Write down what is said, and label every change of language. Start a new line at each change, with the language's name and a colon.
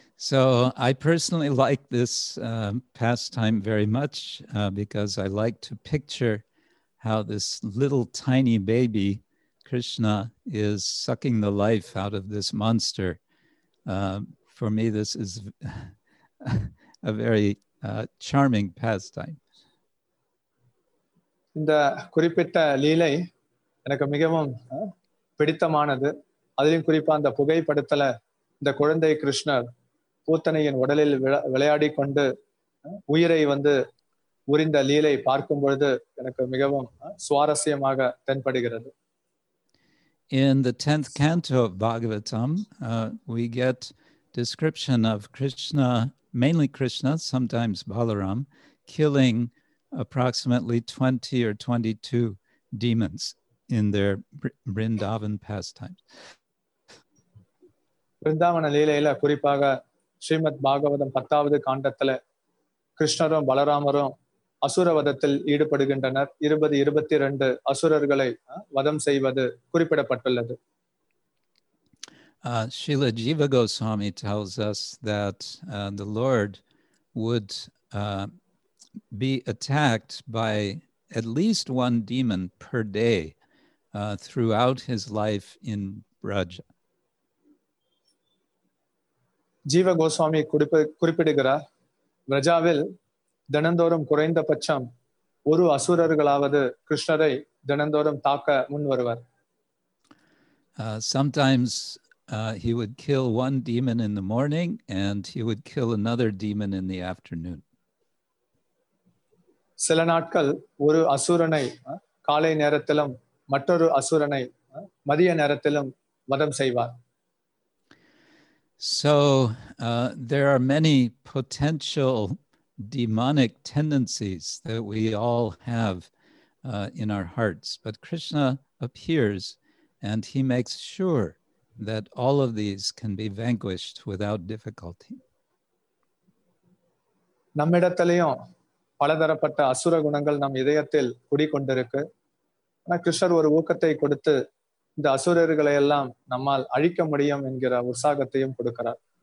English: So I personally like this pastime very much because I like to picture how this little tiny baby Krishna is sucking the life out of this monster. For me, this is a very charming pastime.
Tamil: இந்த குறிப்பிட்ட லீலை எனக்கு மிகவும் பிடித்தமானது. அதிலும் குறிப்பா அந்த புகைப்படத்துல இந்த குழந்தை கிருஷ்ணர் பூத்தனையின் உடலில் விளையாடி கொண்டு உயிரை வந்து உரிந்த லீலை பார்க்கும் பொழுது எனக்கு மிகவும் சுவாரஸ்யமாக தென்படுகிறது.
English: In the 10th canto of Bhagavatam, we get description of Krishna, mainly Krishna, sometimes Balaram, killing approximately 20 or 22 demons in their Vrindavan pastimes.
Tamil: Vrindavana leelaila kurippaga Srimad Bhagavatam 10th kandathile Krishnarum Balaramarum அசுர வதத்தில் ஈடுபடுகின்றனர். 20-22 அசுரர்களை வதம் செய்வது குறிப்பிடப்பட்டுள்ளது.
English: Srila Jiva Goswami tells us that the Lord would be attacked by at least one demon per day throughout his life in Braj.
Tamil: Jiva Goswami குறிப்பிடுகிறார், பிரஜாவில் தினந்தோறும் குறைந்தபட்சம் ஒரு அசுரர்களாவது கிருஷ்ணரை தினந்தோறும் தாக்க முன் வருவர்.
English: Sometimes he would kill one demon in the morning and he would kill another demon in the afternoon.
Tamil: சில நாட்கள் ஒரு அசுரனை காலை நேரத்திலும் மற்றொரு அசுரனை மதிய நேரத்திலும் வதம் செய்வார்.
English: So there are many potential demonic tendencies that we all have in our hearts, but Krishna appears and he makes sure that all of these can be vanquished without difficulty.
Tamil: நம்மிடத்திலேயும் பலதரப்பட்ட அசுர குணங்கள் நம் இதயத்தில் குடிகொண்டிருக்கு. ஆனா கிருஷ்ணர் ஒரு ஊக்கத்தை கொடுத்து இந்த அசுரர்களை எல்லாம் நம்மால் அழிக்க முடியும் என்கிற உற்சாகத்தையும் கொடுக்கிறார்.